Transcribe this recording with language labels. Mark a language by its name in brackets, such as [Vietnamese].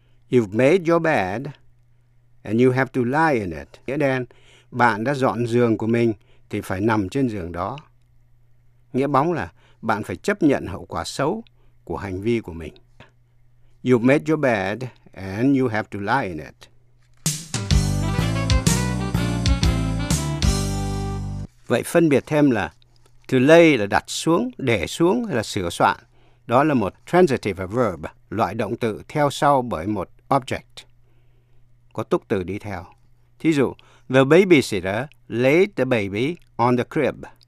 [English] You've made your bed and you have to lie in it. [Vietnamese] Nghĩa đen, bạn đã dọn giường của mình thì phải nằm trên giường đó. Nghĩa bóng là bạn phải chấp nhận hậu quả xấu của hành vi của mình. [English] You've made your bed and you have to lie in it. [Vietnamese] Vậy phân biệt thêm là to lay là đặt xuống, để xuống hay là sửa soạn. Đó là một transitive verb, loại động từ theo sau bởi một object. Có túc từ đi theo. Thí dụ, [English] the babysitter laid the baby on the crib.